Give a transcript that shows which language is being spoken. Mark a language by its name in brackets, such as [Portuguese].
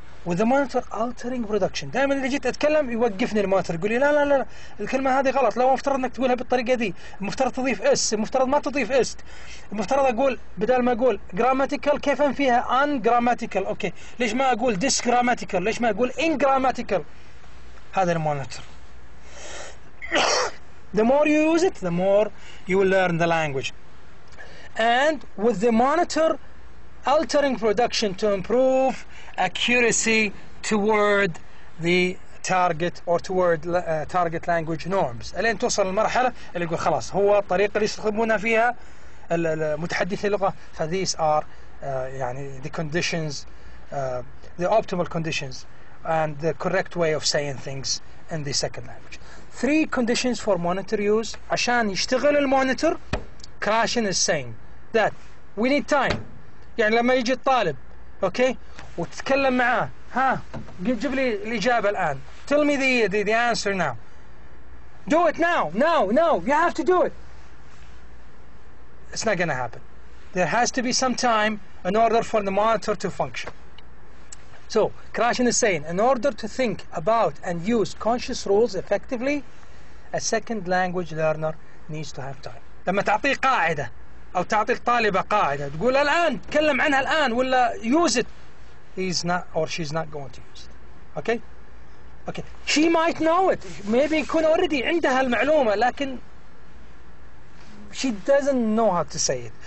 [English] With the monitor altering production، [Arabic] دائما اللي جيت أتكلم يوقفني المونيتور يقول لي لا لا لا الكلمة هذه غلط، لو مفترض أنك تقولها بالطريقة دي، مفترض تضيف إس، مفترض ما تضيف إس، مفترض أقول بدل ما أقول grammatical كيف أنفيها ungrammatical. أوكي ليش ما أقول disgrammatical، ليش ما أقول ingrammatical. هذا المونيتور. [English] The more you use it, the more you will learn the language. And with the monitor altering production to improve accuracy toward the target or toward target language norms. [Arabic] الين توصل المرحلة اللي يقول خلاص هو الطريقة اللي يستخدمونها فيها المتحدثي اللغة. [English] فthese are يعني the conditions, the optimal conditions and the correct way of saying things in the second language. Three conditions for monitor use. [Arabic] عشان يشتغل المونيتور، [English] Krashen is saying that we need time. [Arabic] يعني لما يجي الطالب اوكي وتتكلم معاه، ها جيب لي الاجابه الان، [English] tell me the answer now. Do it now. No, you have to do it. It's not going to happen. There has to be some time in order for the monitor to function. So, Krashen is saying, in order to think about and use conscious rules effectively, a second language learner needs to have time. [Arabic] لما تعطيه قاعدة أو تعطي الطالبة قاعدة تقول الآن تكلم عنها الآن ولا use it, [English] he's not or she's not going to use it. Okay? Okay. She might know it. Maybe يكون already [Arabic] عندها المعلومة لكن [English] she doesn't know how to say it.